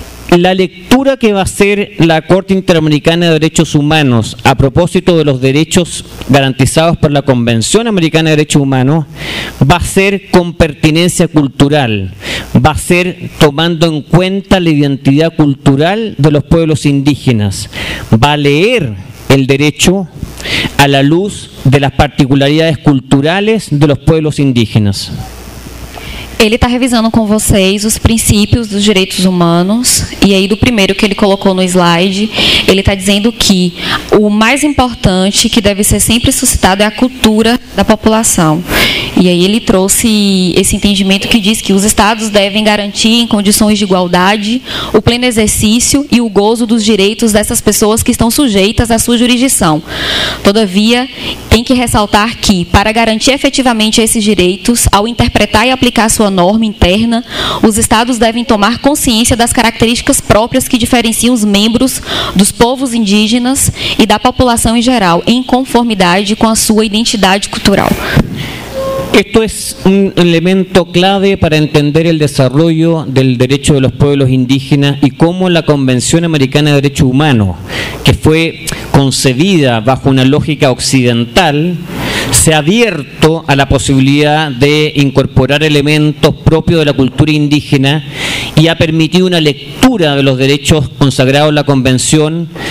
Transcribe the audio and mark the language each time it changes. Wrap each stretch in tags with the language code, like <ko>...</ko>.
<es>La lectura que va a hacer la Corte Interamericana de Derechos Humanos a propósito de los derechos garantizados por la Convención Americana de Derechos Humanos va a ser con pertinencia cultural, va a ser tomando en cuenta la identidad cultural de los pueblos indígenas, va a leer el derecho a la luz de las particularidades culturales de los pueblos indígenas.</es> <pt>Ele está revisando com vocês os princípios dos direitos humanos, e aí do primeiro que ele colocou no slide, ele está dizendo que o mais importante que deve ser sempre suscitado é a cultura da população. E aí ele trouxe esse entendimento que diz que os estados devem garantir em condições de igualdade o pleno exercício e o gozo dos direitos dessas pessoas que estão sujeitas à sua jurisdição. Todavia, tem que ressaltar que, para garantir efetivamente esses direitos, ao interpretar e aplicar sua norma interna, os estados devem tomar consciência das características próprias que diferenciam os membros dos povos indígenas e da população em geral, em conformidade com a sua identidade cultural.</pt> <es>Esto es un elemento clave para entender el desarrollo del derecho de los pueblos indígenas y cómo la Convención Americana de Derechos Humanos, que fue concebida bajo una lógica occidental, se ha abierto a la posibilidad de incorporar elementos propios de la cultura indígena y ha permitido una lectura de los derechos consagrados en la Convención</es>